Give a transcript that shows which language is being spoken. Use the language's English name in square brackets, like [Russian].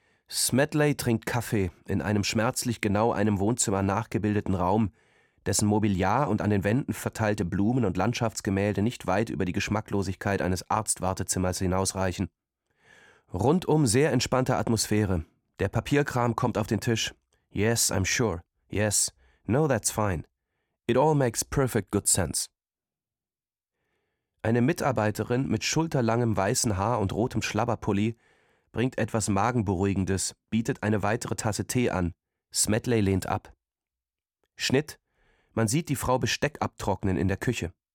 [German] Smedley trinkt Kaffee in einem schmerzlich genau einem Wohnzimmer nachgebildeten Raum, dessen Mobiliar und an den Wänden verteilte Blumen und Landschaftsgemälde nicht weit über die Geschmacklosigkeit eines Arztwartezimmers hinausreichen. Rundum sehr entspannte Atmosphäre. Der Papierkram kommt auf den Tisch. [English] Yes, I'm sure. Yes. No, that's fine. It all makes perfect good sense. [German] Eine Mitarbeiterin mit schulterlangem weißen Haar und rotem Schlabberpulli bringt etwas Magenberuhigendes, bietet eine weitere Tasse Tee an. Smedley lehnt ab. Schnitt. Man sieht die Frau Besteck abtrocknen in der Küche.